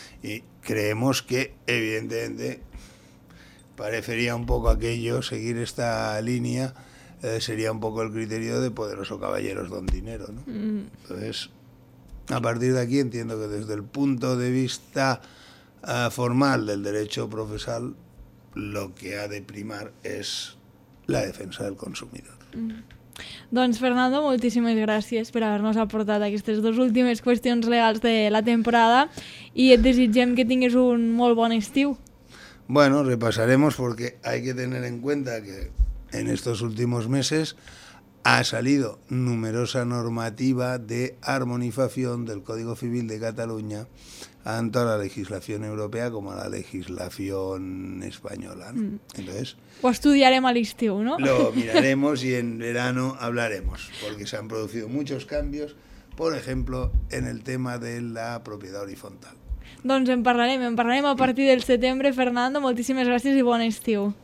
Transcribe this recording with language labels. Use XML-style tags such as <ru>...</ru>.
<es>Y creemos que, evidentemente, parecería un poco aquello, seguir esta línea, sería un poco el criterio de poderoso caballeros don dinero, ¿no? Entonces, a partir de aquí entiendo que desde el punto de vista formal del derecho procesal, lo que ha de primar es la defensa del consumidor.</es> <ca>Doncs, Fernando, moltíssimes gràcies per haver-nos aportat aquestes dues últimes qüestions legals de la temporada i et desitgem que tinguis un molt bon estiu.</ca> <es>Bueno, repasaremos porque hay que tener en cuenta que en estos últimos meses ha salido numerosa normativa de armonización del Código Civil de Cataluña tanto a la legislación europea como a la legislación española, ¿no? Entonces, o estudiaremos</es> <ca>al estiu,</ca> <es>¿no? Lo miraremos y en verano hablaremos porque se han producido muchos cambios, por ejemplo, en el tema de la propiedad horizontal.</es> <ca>Doncs en parlarem a partir del setembre. Fernando, moltíssimes gràcies i bon estiu.</ca>